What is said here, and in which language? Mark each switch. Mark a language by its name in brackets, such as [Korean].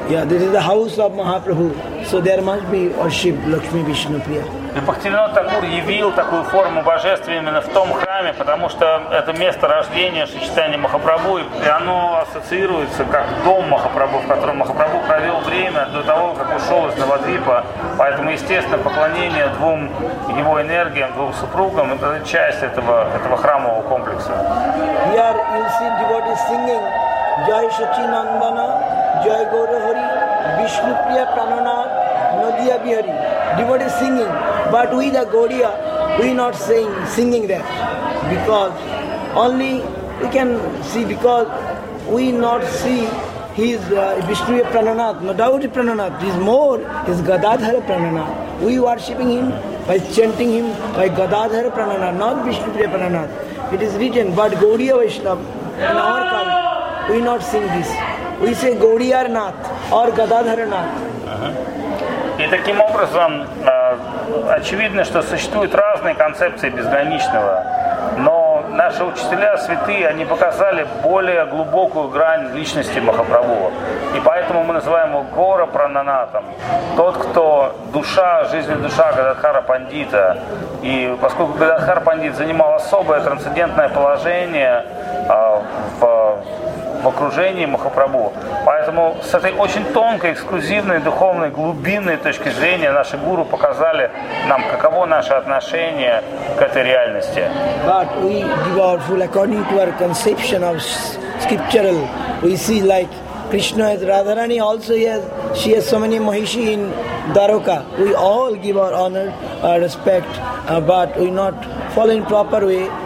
[English] Yeah, this is the house of Mahaprabhu, so there must be worship Lakshmi Vishnupriya. [Russian] И Бхактивинода Такур явил такую форму божества именно в том храме, потому что это место рождения Шри Чайтаньи Махапрабху, и оно ассоциируется как дом Махапрабху, в котором Махапрабху провел время до того, как ушел из Навадвипа. Поэтому, естественно, поклонение двум его энергиям, двум супругам, это часть этого храмового комплекса. [English] Here you see devotees singing Jai Shachi Nandana, Jai Gaura Hari, Vishnu Priya Pranana, Nadiya Bihari. Devotees singing, but we the Gaudiya, we not singing that, because only we can see, because we not see his Vishnu Prananath, Madhavati Prananath, he is more, his Gadadhara Prananath. We worshipping him by chanting him by Gadadhara Prananath, not Vishnu Prananath. It is written, but Gaudiya Vaishnav, in our culture, we not sing this. We say Gaudiya Nath or Gadadhara Nath. [Russian] И таким образом, очевидно, что существуют разные концепции безграничного. Но наши учителя святые, они показали более глубокую грань личности Махапрабху. И поэтому мы называем его Гора Прананатом. Тот, кто душа, жизненная душа Гададхара Пандита. И поскольку Гададхара Пандит занимал особое трансцендентное положение в в окружении Махапрабху. Поэтому с этой очень тонкой, эксклюзивной, духовной, глубинной точки зрения наши гуру показали нам, каково наше отношение к этой реальности. [English] But we give our full according to our conception of scriptural. We see like Krishna has Radharani also, she has so many Mahishi in Dwaraka. We all give our honor, our respect, but we not follow in proper way.